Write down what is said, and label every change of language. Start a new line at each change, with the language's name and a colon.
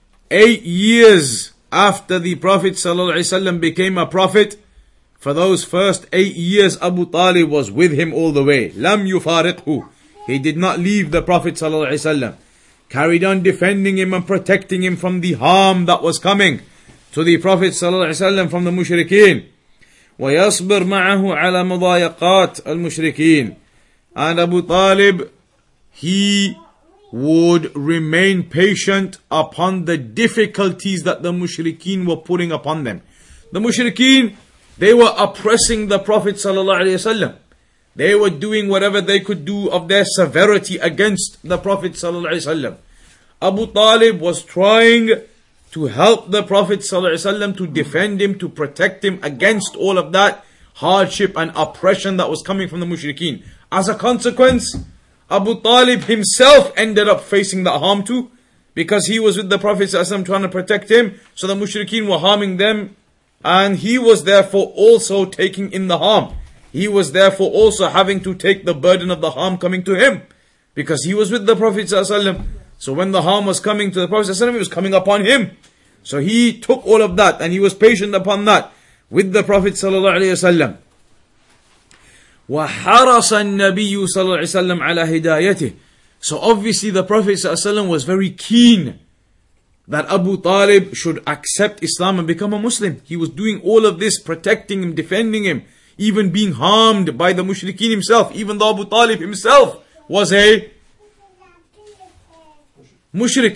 English: 8 years after the Prophet ﷺ became a prophet, for those first 8 years, Abu Talib was with him all the way.
Arabic: لم يفارقه.
English: He did not leave the Prophet ﷺ. Carried on defending him and protecting him from the harm that was coming to the Prophet ﷺ from the mushrikeen.
Arabic: ويصبر معه على مضايقات المشركين.
English: And Abu Talib, he would remain patient upon the difficulties that the mushrikeen were putting upon them. The mushrikeen, they were oppressing the Prophet ﷺ. They were doing whatever they could do of their severity against the Prophet ﷺ. Abu Talib was trying to help the Prophet ﷺ, to defend him, to protect him against all of that hardship and oppression that was coming from the mushrikeen. As a consequence, Abu Talib himself ended up facing that harm too, because he was with the Prophet ﷺ trying to protect him, so the mushrikeen were harming them, and he was therefore also taking in the harm. He was therefore also having to take the burden of the harm coming to him, because he was with the Prophet ﷺ. So when the harm was coming to the Prophet ﷺ, it was coming upon him. So he took all of that, and he was patient upon that with the Prophet ﷺ.
Arabic: وحرص النبي صلى الله عليه وسلم على هدايته.
English: So obviously the Prophet صلى الله عليه وسلم was very keen that Abu Talib should accept Islam and become a Muslim. He was doing all of this, protecting him, defending him, even being harmed by the mushrikeen himself, even though Abu Talib himself was a mushrik.